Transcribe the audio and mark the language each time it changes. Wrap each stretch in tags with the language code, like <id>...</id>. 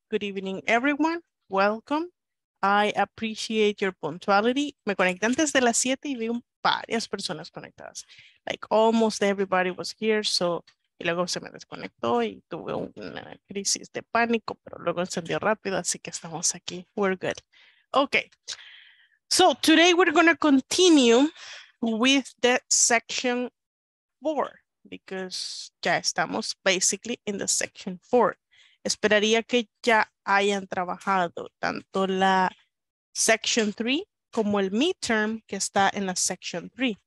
<en>Good evening, everyone. Welcome. I appreciate your punctuality.</en> <es>Me conecté antes de las 7 y vi un varias personas conectadas.</es> <en>Like almost everybody was here, so,</en> <es>y luego se me desconectó y tuve una crisis de pánico, pero luego encendió rápido, así que estamos aquí.</es> <en>We're good. Okay. So today we're going to continue with the section 4, because</en> <es>ya estamos</es> <en>basically in the section 4.</en> <es>Esperaría que ya hayan trabajado tanto la section 3 como el midterm que está en la section 3.</es>